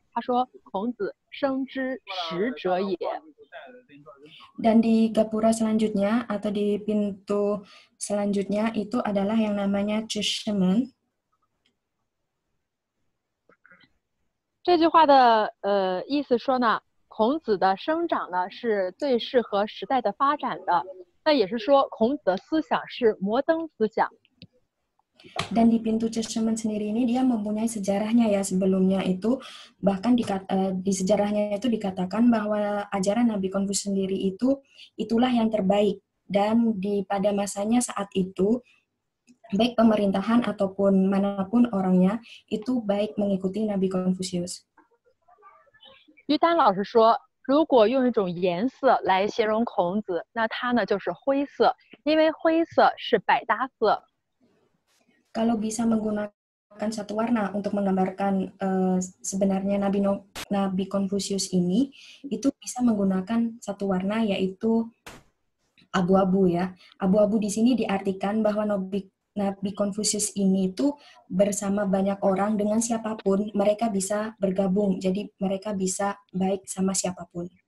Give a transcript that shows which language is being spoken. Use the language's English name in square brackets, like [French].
[Chinese] 前方经过这个门呢，叫做圣石门，它呢来自孟子赞扬孔子的一句话，他说孔子生之时者也。 [Indonesian] Dan di gapura selanjutnya atau di pintu selanjutnya itu adalah yang namanya Chishimen. [Chinese] 这句话的意思说呢，孔子的生长呢是最适合时代的发展的，那也是说孔子的思想是摩登思想。 [Indonesian] Dan di pintu Chishimen sendiri ini dia mempunyai sejarahnya ya, sebelumnya itu bahkan di sejarahnya itu dikatakan bahwa ajaran Nabi Konfusius sendiri itu itulah yang terbaik, dan di pada masanya saat itu baik pemerintahan ataupun manapun orangnya itu baik mengikuti Nabi Konfusius. [Chinese] Yudan 老师说，如果用一种颜色来形容孔子，那他呢就是灰色，因为灰色是百搭色。 [Indonesian] Kalau bisa menggunakan satu warna untuk menggambarkan sebenarnya Nabi Konfusius ini, itu bisa menggunakan satu warna yaitu abu-abu ya. Abu-abu di sini diartikan bahwa Nabi Konfusius ini itu bersama banyak orang dengan siapapun, mereka bisa bergabung, jadi mereka bisa baik sama siapapun.